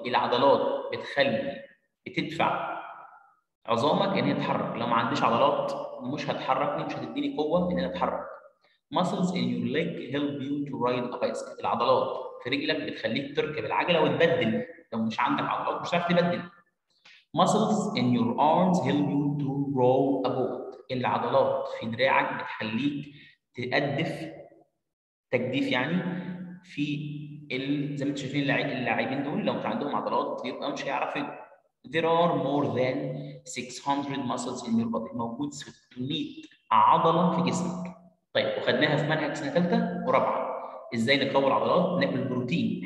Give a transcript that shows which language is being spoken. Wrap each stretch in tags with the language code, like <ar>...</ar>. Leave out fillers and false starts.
<ar>العضلات بتخلي بتدفع عظامك ان هي تتحرك. لو ما عنديش عضلات مش هتحركني مش هتديني قوه ان انا اتحرك.</ar> <en>muscles in your leg help you to ride a bicycle.</en> <ar>العضلات في رجلك بتخليك تركب العجله وتبدل. لو مش عندك عضلات مش هتعرف تبدل.</ar> <en>muscles in your arms help you to row a boat.</en> <ar>العضلات في دراعك بتخليك تقدف تجديف يعني في زي ما انتم شايفين اللاعبين دول لو مش عندهم عضلات يبقى مش هيعرفوا.</ar> <en>There are more than 600 muscles in your body.</en> <ar>موجود 600 عضله في جسمك. طيب وخدناها في منهج سنه ثالثه ورابعه ازاي نكون عضلات ناكل بروتين.</ar>